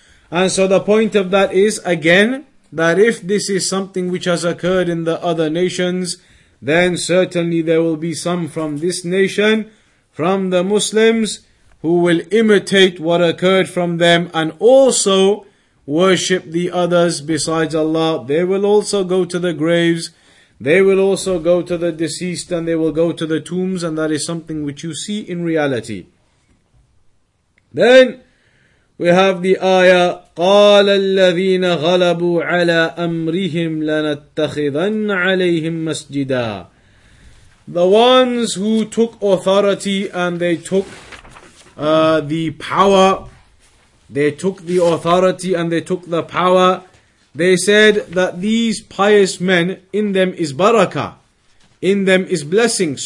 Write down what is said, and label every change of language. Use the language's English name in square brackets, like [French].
[English] And so the point of that is, again, that if this is something which has occurred in the other nations, then certainly there will be some from this nation, from the Muslims, who will imitate what occurred from them and also worship the others besides Allah. They will also go to the graves. They will also go to the deceased and they will go to the tombs, and that is something which you see in reality. Then we have the ayah, [Arabic] قَالَ الَّذِينَ غَلَبُوا عَلَىٰ أَمْرِهِمْ لَنَتَّخِذَنَّ عَلَيْهِمْ مَسْجِدًا. [English] The ones who took authority and they took the power, they took the authority and they took the power, they said that these pious men, in them is barakah, in them is blessing.